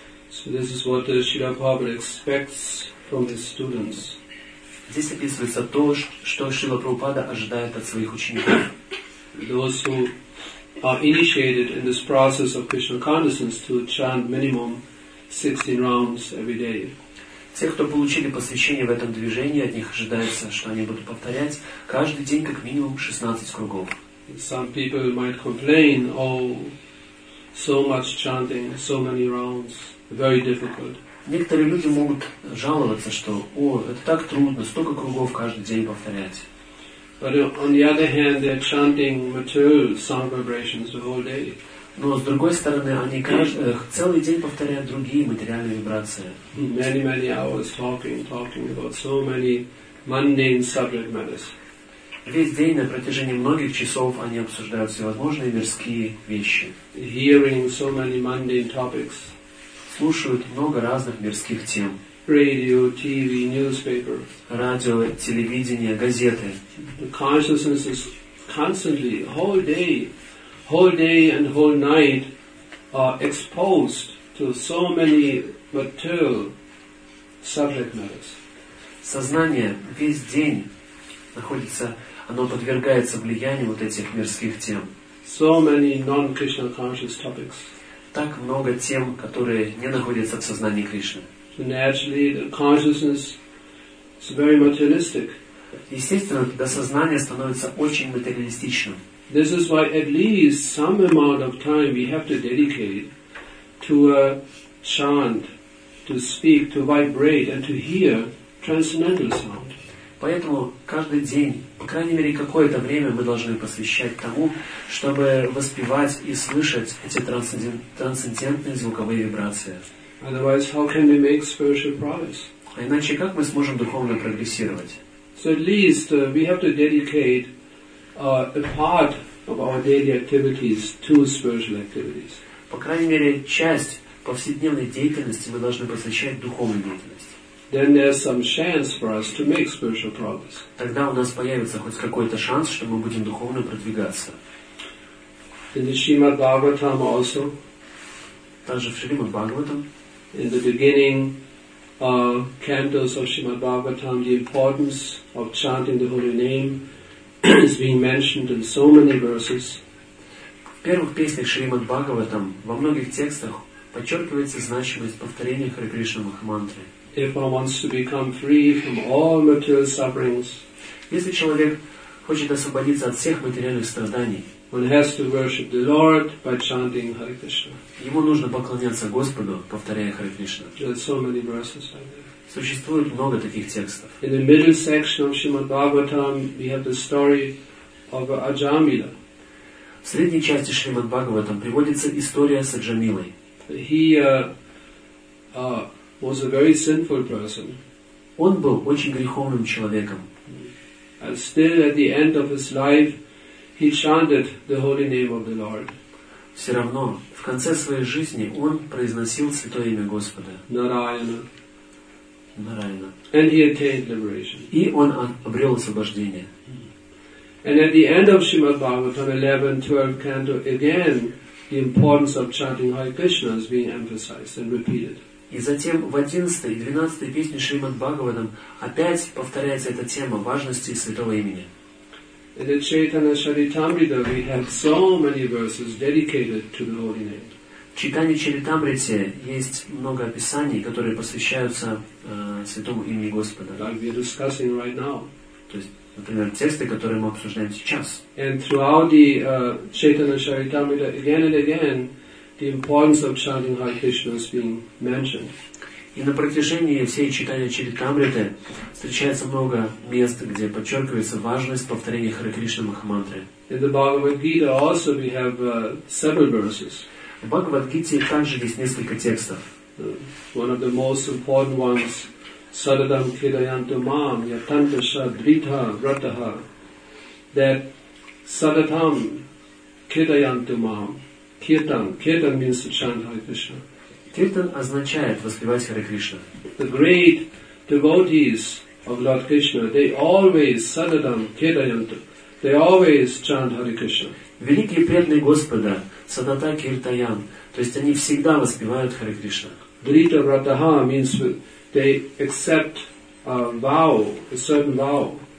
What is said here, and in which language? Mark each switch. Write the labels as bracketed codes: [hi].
[en] So this is what Srila Prabhupada expects from his students. [ru] Здесь описывается то, что Шрила Прабхупада ожидает от своих учеников. [en] Those who are initiated in this process of Krishna consciousness to chant minimum 16 rounds every day. [ru] Те, кто получили посвящение в этом движении, от них ожидается, что они будут повторять каждый день как минимум 16 кругов. [en] Some people might complain, oh, so much chanting, so many rounds, very difficult. [ru] Некоторые люди могут жаловаться, что «О, это так трудно, столько кругов каждый день повторять». [en] But on the other hand, they're chanting material sound vibrations the whole day. [ru] Но с другой стороны, они целый день повторяют другие материальные вибрации. [en] Many, many hours talking about so many mundane subject matters. [ru] Весь день на протяжении многих часов они обсуждают всевозможные мирские вещи. [en] Hearing so many mundane topics. [ru] Слушают много разных мирских тем. [en] Radio, TV, newspaper. [ru] Радио, телевидение, газеты. [en] The consciousness is constantly, whole day and whole night are exposed to so many material subject matters. [ru] Сознание весь день находится, оно подвергается влиянию вот этих мирских тем. [en] So many non-Krishna conscious topics. [ru] Так много тем, которые не находятся в сознании Кришны. [en] So naturally, the consciousness is very materialistic. [ru] Естественно, тогда сознание становится очень материалистичным. [en] This is why at least some amount of time we have to dedicate to a chant, to speak, to vibrate, and to hear transcendental sound. [ru] Поэтому каждый день, по крайней мере, какое-то время мы должны посвящать тому, чтобы воспевать и слышать эти трансцендентные звуковые вибрации. [en] Otherwise, how can we make spiritual progress? [ru] А иначе как мы сможем духовно прогрессировать? [en] So at least we have to dedicate a part of our daily activities to spiritual activities. [ru] По крайней мере, часть повседневной деятельности мы должны посвящать духовной деятельности. [en] Then there's some chance for us to make spiritual progress. [ru] Тогда у нас появится хоть какой-то шанс, что мы будем духовно продвигаться. [en] In the Srimad Bhagavatam also. [ru] Также в Шримад Бхагаватам. [en] In the beginning cantos of Srimad Bhagavatam, the importance of chanting the holy name is being mentioned in so many verses. [ru] В первых песнях Шримад Бхагаватам во многих текстах подчеркивается значимость повторения Хари Кришна Махамантры. [en] If one wants to become free from all material sufferings, [ru] если человек хочет освободиться от всех материальных страданий, [en] one has to worship the Lord by chanting Hare Krishna. [ru] Ему нужно поклоняться Господу, повторяя Хари Кришна. [en] There are so many verses like that. [ru] Существует много таких текстов. [en] In the middle section of Srimad Bhagavatam, we have the story of Ajamila. [ru] В средней части Шримад Бхагаватам приводится история с Аджамилой. [en] He was a very sinful person. [ru] Он был очень греховным человеком. [en] And still at the end of his life, he chanted the holy name of the Lord. [ru] Все равно, в конце своей жизни он произносил святое имя Господа. [en] Narayana. [ru] Narayana. [en] And he attained liberation. [ru] И он обрел освобождение. [en] And at the end of Srimad Bhagavatam, 11th-12th canto, again, the importance of chanting Hare Krishna is being emphasized and repeated. [ru] И затем в 11-й и 12-й песне Шримад Бхагаватам опять повторяется эта тема важности святого имени. [en] In the Chaitanya Charitamrita we have so many verses dedicated to the holy name. [ru] В Чайтанья Чаритамрите есть много описаний, которые посвящаются святому имени Господа. [en] Like we're discussing right now. [ru] То есть, например, тексты, которые мы обсуждаем сейчас. [en] And throughout the Chaitanya Charitamrita again and again the importance of chanting Hare Krishna is being mentioned. [ru] И на протяжении всей читания Чаритамриты встречается много мест, где подчеркивается важность повторения Хари Кришна Махамантры. [en] In the Bhagavad Gita also we have several verses. [ru] В Бхагавад Гите также есть несколько текстов. [en] One of the most important ones, [sa] Saradam Kirayantu Mam Yatantasha Dritha Vrataha, that Saradam Kirayantu Mam Kirtan. [en] Kirtan means to chant Hare Krishna. [ru] Kirtan означает воспевать Хари Кришна. [en] The great devotees of Lord Krishna, they always [sa] Sadadam Kirtayantu. [en] They always chant Hare Krishna. [ru] Великие преданные Господа, [sa] Садата Киртаян, [ru] то есть они всегда воспевают Хари Кришна. [sa] Drita Vrataha [en] means they accept vow, a certain vow.